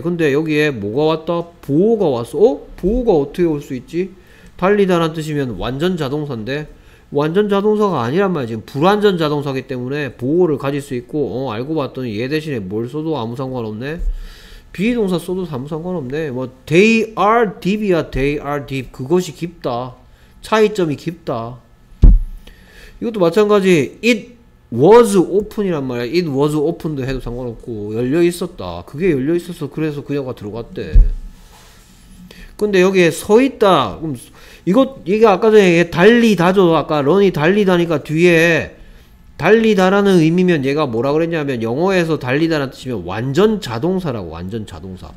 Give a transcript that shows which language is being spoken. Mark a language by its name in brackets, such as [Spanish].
[Korean] 근데 여기에 뭐가 왔다? 보호가 왔어. 어? 보호가 어떻게 올 수 있지? 달리다 란 뜻이면 완전 자동사인데 완전 자동사가 아니란 말이야. 지금 불완전 자동사기 때문에 보호를 가질 수 있고 알고 봤더니 얘 대신에 뭘 써도 아무 상관 없네. 비동사 써도 아무 상관 없네. [English] 뭐 they are deep이야. they are deep. [Korean] 그것이 깊다. 차이점이 깊다. 이것도 마찬가지. [English] it was open이란 말이야. it was open [Korean] 도 해도 상관없고 열려 있었다. 그게 열려 있어서 그래서 그녀가 들어갔대. 근데 여기에 서 있다. 그럼 이게 아까 전에 얘기해. 달리다죠. 아까 런이 달리다니까 뒤에 달리다라는 의미면 얘가 뭐라 그랬냐면 영어에서 달리다라는 뜻이면 완전 자동사라고. 완전 자동사.